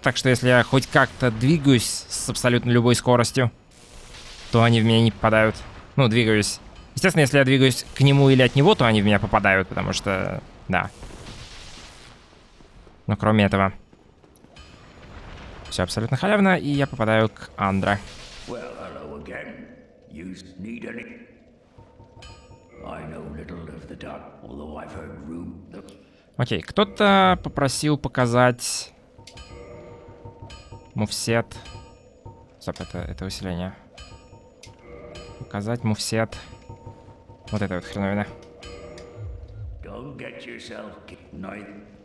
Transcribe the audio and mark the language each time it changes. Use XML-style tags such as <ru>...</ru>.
<ru>Так что если я хоть как-то двигаюсь с абсолютно любой скоростью, то они в меня не попадают. Ну, двигаюсь. Естественно, если я двигаюсь к нему или от него, то они в меня попадают, потому что... Да. Но кроме этого... Все абсолютно халявно, и я попадаю к Андре.</ru> <en>Well, hello again. You need any... I know little of the dark, although I've heard room.</en> <ru>Окей, кто-то попросил показать мувсет. Стоп, это усиление. Показать мувсет. Вот это вот хреновина.</ru> <en>Don't get yourself kidnapped.</en>